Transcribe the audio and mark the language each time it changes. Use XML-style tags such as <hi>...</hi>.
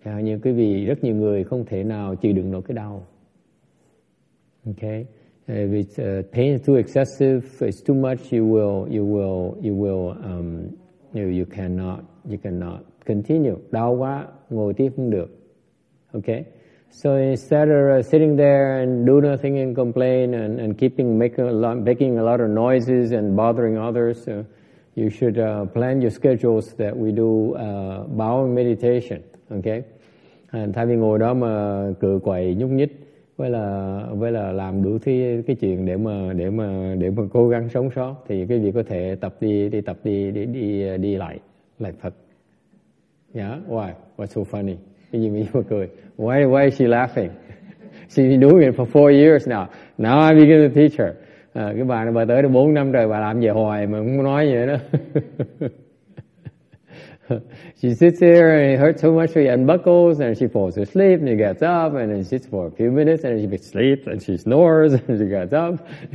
<vi>Nhưng quý vị, rất nhiều người không thể nào chịu đựng nổi cái đau.</vi> <en>Okay. If it's, pain is too excessive, it's too much, you cannot continue.</en> <vi>Đau quá, ngồi tiếp không được.</vi> <en>Okay. So instead of sitting there and do nothing and complain and making a lot of noises and bothering others, you should plan your schedules that we do bowing meditation. Okay.</en> <vi>And thay vì ngồi đó mà cự quậy nhúc nhích với là làm đủ thứ cái chuyện để mà cố gắng sống sót, thì quý vị có thể tập đi lại Phật.</vi> <en>Yeah, why? What's so funny?</en> <vi>Cái gì mà cười?</vi> <en>Why is she laughing? She's been doing it for 4 years now. Now I begin to teach her.</en> <vi>Cái bà này bà tới được 4 năm rồi, bà làm về hoài mà không nói gì nữa.</vi> <en>She sits here and it hurts so much, she unbuckles and she falls asleep and she gets up and then she sits for a few minutes and she sleeps and she snores and she gets up.</en>